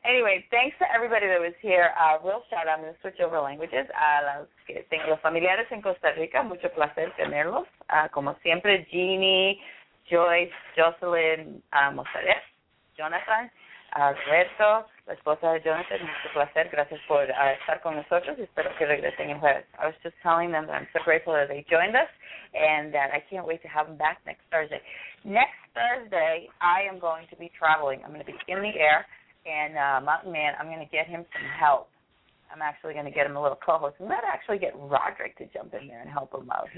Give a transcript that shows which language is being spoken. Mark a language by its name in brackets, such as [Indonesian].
[English] Anyway, thanks to everybody that was here. Real shout-out. I'm going to switch over languages. [Spanish] Los que tengo familiares en Costa Rica, mucho placer tenerlos. Como siempre, Jeannie, Joyce, Jocelyn, Mozart, Jonathan, Alberto, la esposa de Jonathan, mucho placer. Gracias por estar con nosotros. Espero que regresen el jueves. [English] I was just telling them that I'm so grateful that they joined us and that I can't wait to have them back next Thursday. Next Thursday, I am going to be traveling. I'm going to be in the air, and Mountain Man, I'm going to get him some help. I'm actually going to get him a little co-host. I'm going to actually get Roderick to jump in there and help him out.